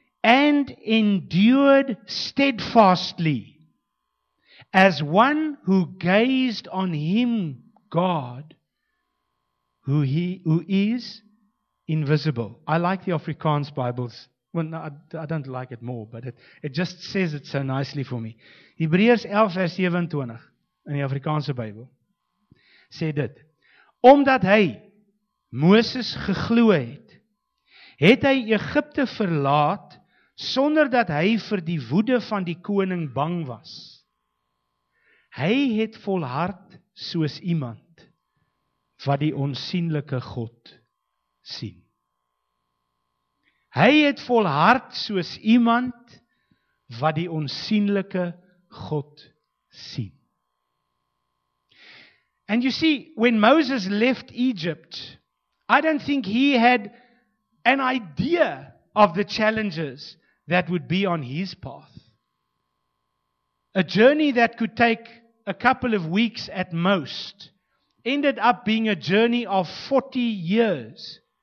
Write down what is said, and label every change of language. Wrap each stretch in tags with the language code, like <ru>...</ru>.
<en>And endured steadfastly, as one who gazed on him, God, who is invisible. I like the Afrikaans Bibles. Well, no, I don't like it more, but it just says it so nicely for me.</en> <af>Hebreërs 11 vers 27 in die Afrikaanse Bybel sê dit: omdat hy Moses geglo het hy Egipte verlaat sonder dat hy vir die woede van die koning bang was. Hy het volhard soos iemand wat die onsigbare God sien. Hy het volhard soos iemand wat die onsigbare God sien.</af> <en>And you see, when Moses left Egypt, I don't think he had an idea of the challenges that would be on his path. A journey that could take a couple of weeks at most ended up being a journey of 40 years.</en>